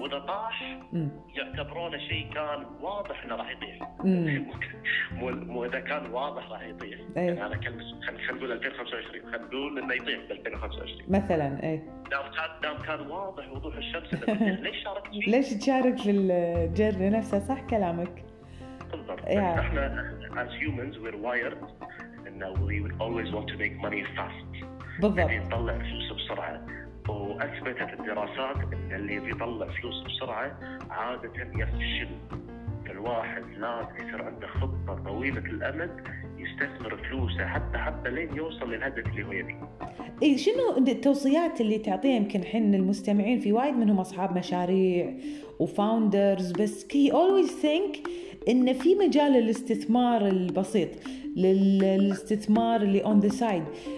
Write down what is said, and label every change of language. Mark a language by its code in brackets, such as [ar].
[ar] وإذا طاح يعتبرونه شيء كان واضح إنه راح يطيح. مو إذا كان واضح راح يطيح. أيه. أنا كان خلنا نقول 2025, خلنا نقول إنه يطيح في 2025 مثلاً. إيه. دام كان واضح وضوح الشمس. ليش شارك فيه؟ ليش تشارك في الجرة نفسها؟ صح كلامك. بالضبط. [en] Yeah. إحنا as humans we're wired and we would always want to make money fast. [ar] بالضبط. يعني نطلع فلوس بسرعة. وأثبتت الدراسات أن اللي بيطلع فلوس بسرعة عادة يفشل. الواحد لازم يصير عنده خطة طويلة الأمد, يستثمر فلوسه حتى لين يوصل للهدف اللي هو يبيه. إيه شنو التوصيات اللي تعطيها؟ يمكن حين المستمعين في وايد منهم أصحاب مشاريع وفاوندرز, بس كي [en] always think [ar] إن في مجال الاستثمار البسيط للاستثمار اللي [en] on the side.